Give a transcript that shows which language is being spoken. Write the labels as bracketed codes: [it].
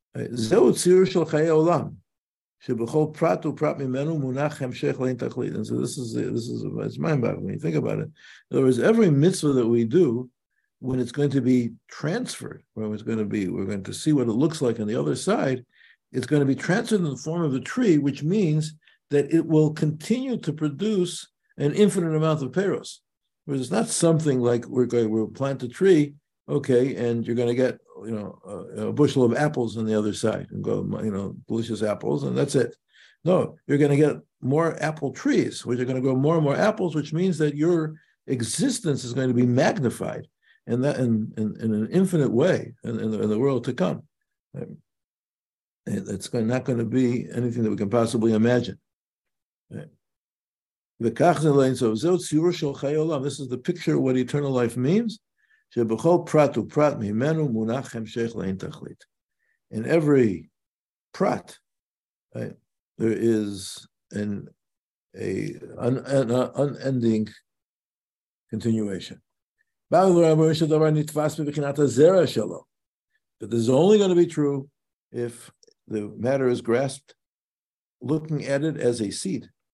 [he] זהו ציור של חיי עולם, שבכל פרט ופרט ממנו מונח המשך לאין תכלית. [en] And so this is it's mind-boggling when you think about it. In other words, every mitzvah that we do, when it's going to be transferred, when it's going to be, we're going to see what it looks like on the other side, it's going to be transferred in the form of a tree, which means that it will continue to produce an infinite amount of peros. Whereas it's not something like we'll plant a tree, okay, and you're going to get, you know, a bushel of apples on the other side and go, you know, delicious apples, and that's it. No, you're going to get more apple trees, which are going to grow more and more apples, which means that your existence is going to be magnified in that in an infinite way in the world to come. It's not going to be anything that we can possibly imagine. The [he] kachzin lein sof, zeh tziur shel chayei olam. [en] This is the picture of what eternal life means. [he] שבכל פרט ופרט ממנו מונח המשך לאין תכלית. [en] In every prat, right, there is an unending continuation. But this is only going to be true if the matter is grasped, looking at it as a seed.